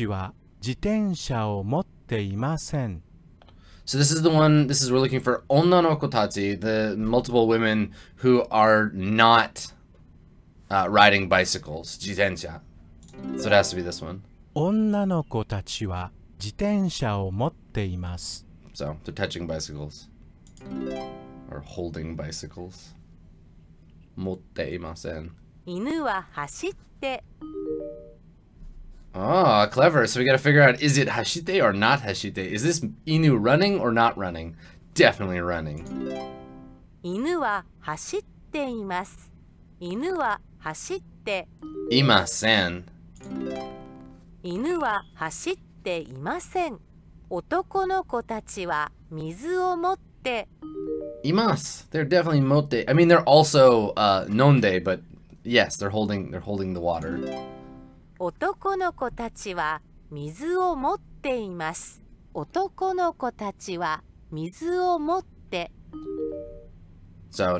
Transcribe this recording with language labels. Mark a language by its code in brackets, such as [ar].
[ja] 女の子たちは自転車を持っていません. [en] So this is the one, this is we're looking for 女の子たち, the multiple women who are not riding bicycles, 自転車. So it has to be this one. [ja] 女の子たちは自転車を持っています. [en] So they're touching bicycles. Or holding bicycles. [ja] 持っていません. 犬は走って. [en] Oh, clever. So we gotta figure out, is it 走って or not 走って? Is this 犬 running or not running? Definitely running. [ja] 犬は走っています. 犬は 走っていません。犬は走っていません。男の子たちは水を持って。います。 [en] They're definitely 持って. I mean, they're also 飲んで, but yes, they're holding the water. [ja] 男の子たちは水を持っています。男の子たちは水を持って。 [en] So